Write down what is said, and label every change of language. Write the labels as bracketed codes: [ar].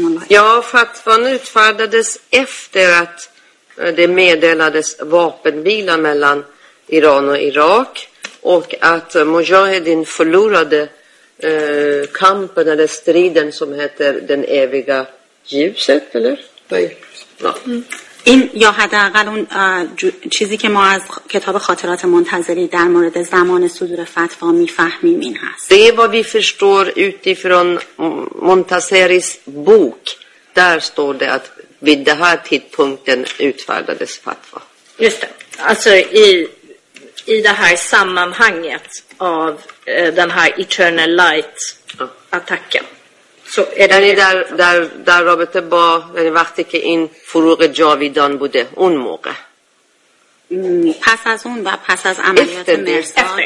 [sv] Ja, fatwan utfärdades efter att det meddelades vapenvila mellan Iran och Irak och att Mujahedin förlorade kampen eller striden som heter den eviga ljuset, eller? Ja. [fa] این یا حداقل اون چیزی که ما از کتاب خاطرات منتظری در مورد زمان صدور فتوا میفهمیم این هست. [sv] Det är vad vi förstår utifrån Montazeris bok. Där står det att vid den här tidpunkten utfärdades fatwa. Just det. Alltså i det här sammanhanget av den här Eternal Light attacken. [fa] یعنی در رابطه با وقتی که این فروغ جاویدان بوده اون موقع پس از اون و پس از عملیات مرسال